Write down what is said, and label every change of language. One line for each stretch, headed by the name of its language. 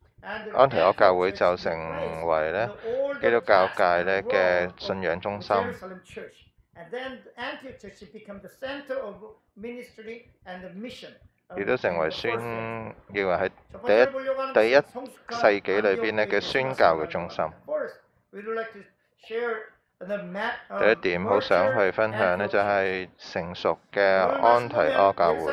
Cantonese: 安提柯教會就成為咧基督教界咧嘅信仰中心。
English: And then Antioch Church became the center of ministry and the mission.
Cantonese: 亦都成為宣，認為喺第一世紀裏邊咧嘅宣教嘅中心。第一點好想去分享咧，就係成熟嘅安提柯教會。